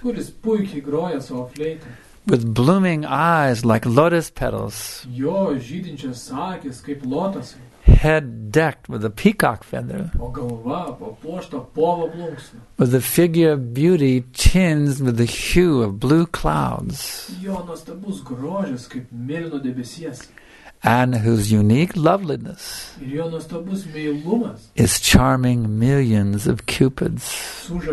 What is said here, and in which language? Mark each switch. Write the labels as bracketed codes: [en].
[lt] kuris puikiai groja savo fleita, [en] with blooming eyes like lotus petals, [lt] jo žydinčios akys kaip lotosai, [en] head decked with a peacock feather, [lt] o galva papuošta povo plunksna, [en] with a figure of beauty tinged with the hue of blue clouds, [lt] jo nuostabus grožis kaip mėlyno debesies, [en] and whose unique loveliness is charming millions of cupids.